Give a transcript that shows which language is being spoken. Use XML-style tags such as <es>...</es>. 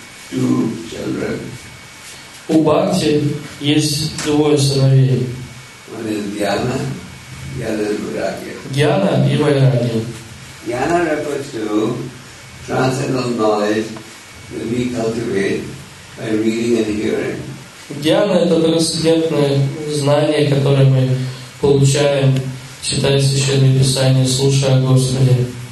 <ru>У бхакти есть двое сыновей.</ru> <en>One is dhyana, the other is vairagya.</en> <ru>Dhyana и vairagya.</ru> <en>Dhyana refers to transcendental knowledge that we cultivate by reading and hearing.</en> <ru>Dhyana это трансцендентное знание, которое мы получаем, читая священные писания, слушая Господи.</ru>